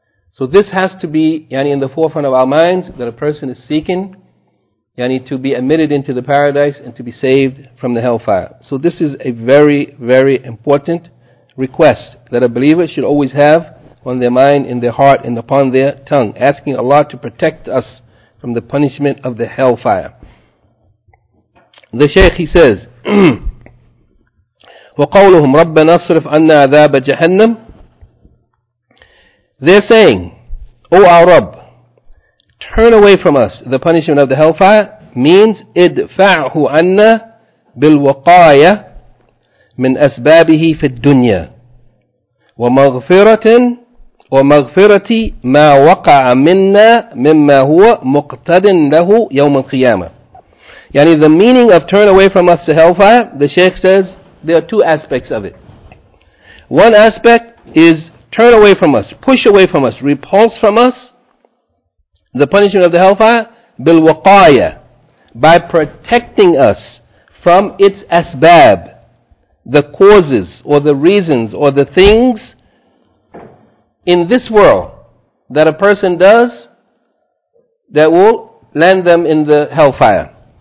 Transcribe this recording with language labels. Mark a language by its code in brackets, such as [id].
[en] So this has to be in the forefront of our minds, that a person is seeking to be admitted into the paradise and to be saved from the hellfire. So this is a very, very important request that a believer should always have on their mind, in their heart, and upon their tongue, asking Allah to protect us from the punishment of the hellfire. The Shaykh, he says, [ar] وَقَوْلُهُمْ رَبَّنَا اصْرِفْ عَنَّا عَذَابَ جَهَنَّمْ. [en] They're saying, O our Rabb, turn away from us the punishment of the hellfire, means [ar] اِدْفَعْهُ عَنَّا بِالْوَقَايَ مِنْ أَسْبَابِهِ فِي الدُّنْيَا وَمَغْفِرَةٍ وَمَغْفِرَتِي مَا وَقَعَ مِنَّا مِمَّا هُوَ مُقْتَدٍ لَهُ يَوْمَ الْقِيَامَةِ. [en] Yani the meaning of turn away from us the hellfire, the Shaykh says, there are two aspects of it. One aspect is turn away from us, push away from us, repulse from us the punishment of the hellfire, [ar] بالوقاية, [en] by protecting us from its asbab, the causes or the reasons or the things in this world that a person does that will land them in the hellfire.